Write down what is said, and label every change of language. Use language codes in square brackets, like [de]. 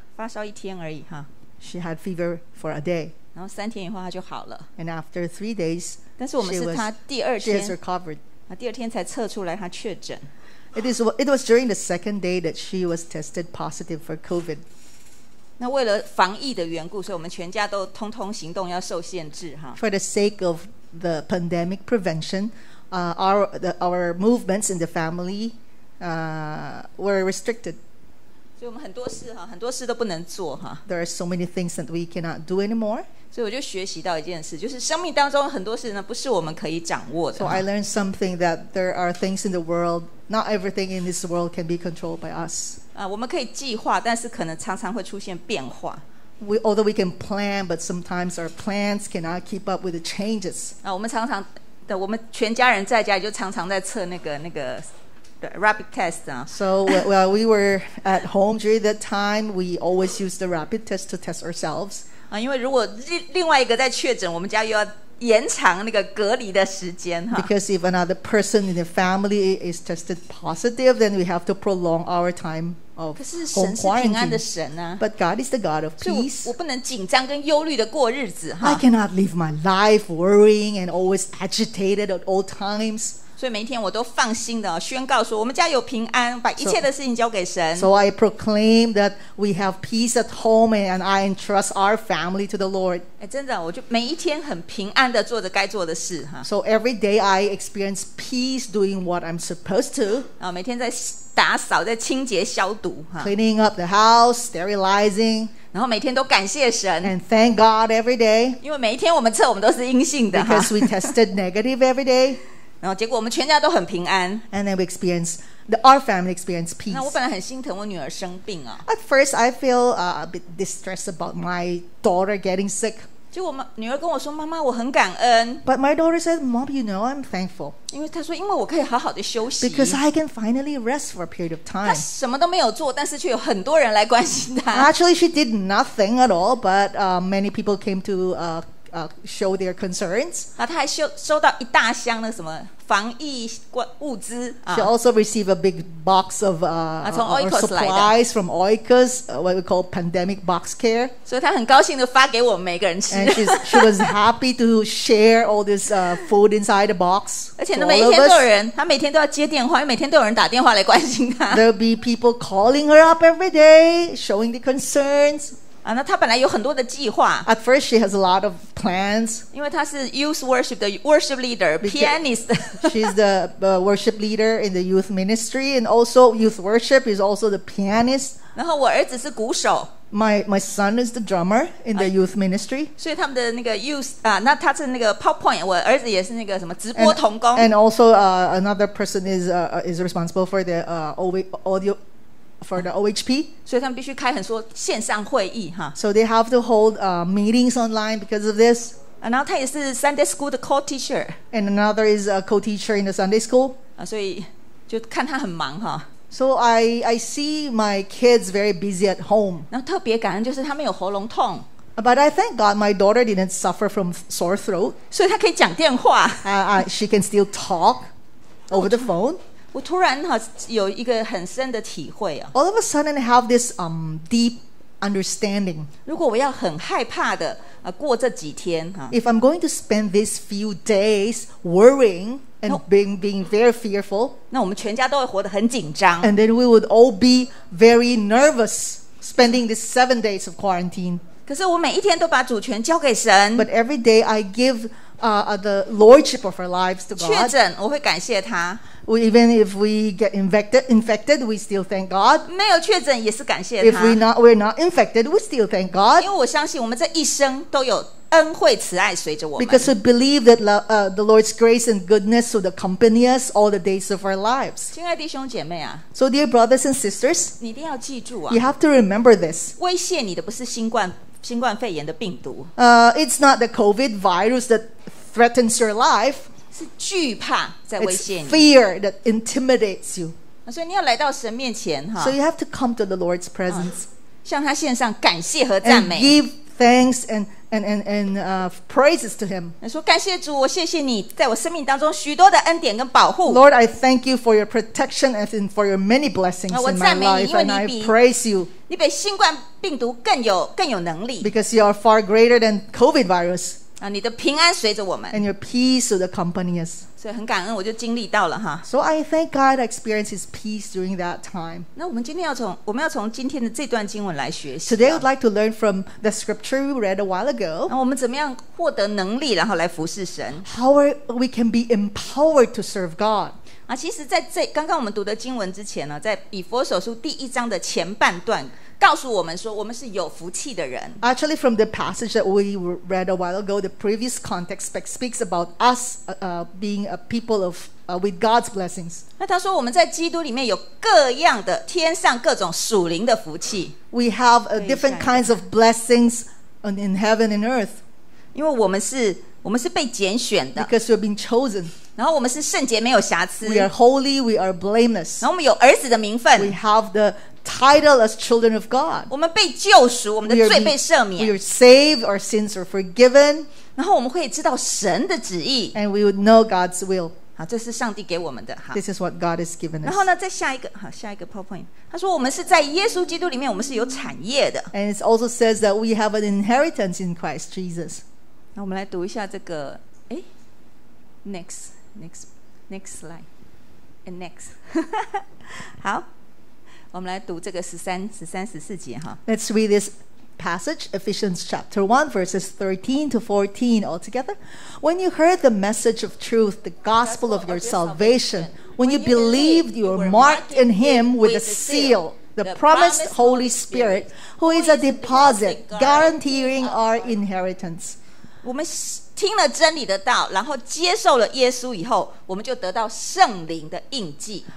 [zh] 发烧一天而已, huh? [en] She had fever for a day. And after 3 days, she has recovered. [zh] 第二天才测出来她确诊。 [en] It was during the second day that she was tested positive for COVID. [zh] 那为了防疫的缘故, 所以我们全家都通通行动, 要受限制, huh? [en] For the sake of the pandemic prevention, our movements in the family were restricted. [zh] 所以我们很多事, 很多事都不能做, huh? [en] There are so many things that we cannot do anymore. [zh] 所以我就学习到一件事, 就是生命当中很多事呢, 不是我们可以掌握的, [en] so I learned something that there are things in the world, not everything in this world can be controlled by us. [zh] 我们可以计划, 但是可能常常会出现变化。 [en] Although we can plan, but sometimes our plans cannot keep up with the changes. [zh] 我们常常, 对, 我们全家人在家, 就常常在测那个, [en] the rapid test. So while we were at home during that time, we always used the rapid test to test ourselves. [zh] 因为如果另外一个在确诊, 我们家又要延长那个隔离的时间, huh? [en] Because if another person in the family is tested positive, then we have to prolong our time of home quarantine. But God is the God of peace. [zh] 我不能紧张跟忧虑的过日子, huh? [en] I cannot live my life worrying and always agitated at all times. [zh] 所以每一天我都放心的, 宣告说, 我们家有平安, 把一切的事情交给神。 [en] So I proclaim that we have peace at home and I entrust our family to the Lord. [zh] 真的, 我就每一天很平安地做着该做的事, huh? [en] So every day I experience peace doing what I'm supposed to. [zh] 每天在打扫, 在清洁消毒, huh? [en] Cleaning up the house, sterilizing. [zh] 然后每天都感谢神, [en] and thank God every day. [zh] 因为每一天我们测, 我们都是阴性的, [en] because huh? We tested negative every day. [zh] 然后结果我们全家都很平安, [en] and then we experience our family experience peace. [zh] 那我本来很心疼我女儿生病啊, [en] at first I feel a bit distressed about my daughter getting sick. [zh] 结果女儿跟我说, 妈妈我很感恩, [en] but my daughter said, Mom, you know I'm thankful. [zh] 因为她说, 因为我可以好好地休息, [en] because I can finally rest for a period of time. [zh] 她什么都没有做, 但是却有很多人来关心她。 [en] Actually she did nothing at all, but many people came to show their concerns. [zh] 她还收到一大箱的什么防疫物资, [en] she also received a big box of supplies from OICUS, what we call pandemic box care. [zh] 所以她很高兴地发给我们每个人吃, [en] and she was happy to share all this food inside the box. [zh] 而且每一天都有人, 她每天都要接电话, 因为每天都有人打电话来关心她。 [en] There'll be people calling her up every day, showing the concerns. [zh] 那她本来有很多的计划, [en] at first she has a lot of plans, [zh] 因为她是 youth worship 的 worship leader, pianist. [en] She's the worship leader in the youth ministry, and also youth worship is also the pianist. [zh] 然后我儿子是鼓手, [en] my son is the drummer in the youth ministry. [zh] 所以他们的那个 youth, 那他是那个 PowerPoint, 我儿子也是那个什么直播童工, [en] and also another person is responsible for the audio for the OHP. [zh] 所以他们必须开很多线上会议, huh? [en] So they have to hold meetings online because of this. And now [zh] 他也是 [en] Sunday school 的 co-teacher. And another is a co-teacher in the Sunday school. [zh] 所以就看他很忙, huh? [en] So I see my kids very busy at home. [zh] 然后特别感恩就是他没有喉咙痛。 [en] But I thank God my daughter didn't suffer from sore throat. [zh] 所以她可以讲电话。 [en] She can still talk over the phone. [zh] 我突然有一个很深的体会, [en] all of a sudden I have this deep understanding. [zh] 如果我要很害怕的, 过这几天, [en] if I'm going to spend these few days worrying and being very fearful, [zh] 那我们全家都会活得很紧张, [en] and then we would all be very nervous spending these 7 days of quarantine. [zh] 可是我每一天都把主权交给神, [en] but every day I give the lordship of our lives to God. [zh] 确诊我会感谢他, [en] even if we get infected, we still thank God. [zh] 没有确诊也是感谢他, [en] if we're not infected, we still thank God. [zh] 因为我相信我们这一生都有恩惠慈爱随着我们, [en] because we believe that the Lord's grace and goodness would accompany us all the days of our lives. [zh] 亲爱弟兄姐妹啊, [en] so dear brothers and sisters, [zh] 你一定要记住啊, [en] you have to remember this. [zh] 威胁你的不是新冠肺炎的病毒, [en] it's not the COVID virus that threatens your life. It's fear that intimidates you. [zh] 所以你要来到神面前, [en] so you have to come to the Lord's presence, [zh] 向他献上感谢和赞美, [en] and give thanks and praises to him. [zh] 说感谢主，我谢谢你在我生命当中许多的恩典跟保护。 [en] Lord, I thank you for your protection and for your many blessings in my life, and I praise you. [zh] 你比新冠病毒更有能力。 [en] Because you are far greater than COVID virus. [zh] 你的平安随着我们。 [en] And your peace will accompany us. [zh] 所以很感恩，我就经历到了哈。 [en] So I thank God I experienced His peace during that time. [zh] 那我们今天要从我们要从今天的这段经文来学习。 [en] Today I'd like to learn from the scripture we read a while ago. [zh] 那我们怎么样获得能力，然后来服侍神 [en] ？How we can be empowered to serve God? [zh] 啊，其实在这刚刚我们读的经文之前呢，在以弗所书第一章的前半段。告诉我们说我们是有福气的人。 [en] Actually from the passage that we read a while ago, the previous context speaks about us being a people of with God's blessings. [zh] 那他说我们在基督里面有各样的天上各种属灵的福气。 [en] We have different kinds of blessings in heaven and earth. [zh] 因为我们是被拣选的。 [en] Because we've been chosen. [zh] 然后我们是圣洁没有瑕疵。 [en] We are holy, we are blameless. [zh] 然后我们有儿子的名分。 [en] We have the title as children of God. [zh] 我们被救赎，我们的罪被赦免。 [en] We are saved, our sins are forgiven. [zh] 然后我们会知道神的旨意。 [en] And we would know God's will. [zh] 好，这是上帝给我们的。 [en] This is what God has given us. [zh] 然后呢，再下一个，好，下一个 PowerPoint。他说我们是在耶稣基督里面，我们是有产业的。 [en] And it also says that we have an inheritance in Christ Jesus. [zh] 那我们来读一下这个，哎 [en] Next slide. And next. [zh] 好，我们来读这个13-14节。 [en] Let's read this passage, Ephesians chapter 1, verses 13 to 14 altogether. When you heard the message of truth, the gospel of your salvation, when you believed, you were marked in him with a seal, the promised Holy Spirit, who is a deposit guaranteeing our inheritance. [zh] 我们听了真理的道，然后接受了耶稣以后，我们就得到圣灵的印记。